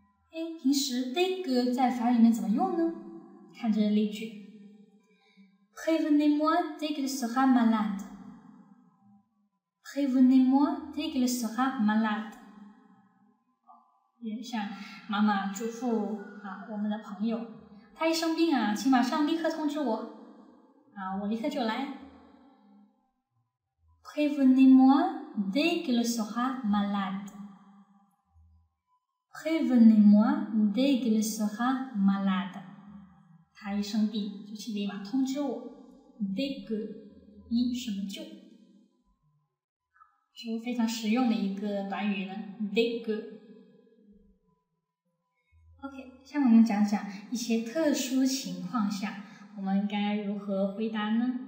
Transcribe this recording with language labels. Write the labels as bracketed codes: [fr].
[zh] 哎，平时 dès que 在法语里面怎么用呢？看这个例句 [fr] ，Prévenez-moi dès qu'il sera malade. Prévenez-moi dès qu'il sera malade. [zh] 也像妈妈嘱咐啊，我们的朋友，他一生病啊，请马上立刻通知我，啊，我立刻就来。 [fr] Prévenez-moi dès qu'il sera malade. Prévenez-moi dès qu'il sera malade. [zh] 他一生病就请立马通知我。Dès que 一什么就，是非常实用的一个短语呢。 [fr] Dès que. [zh] OK， 下面我们讲讲一些特殊情况下我们该如何回答呢？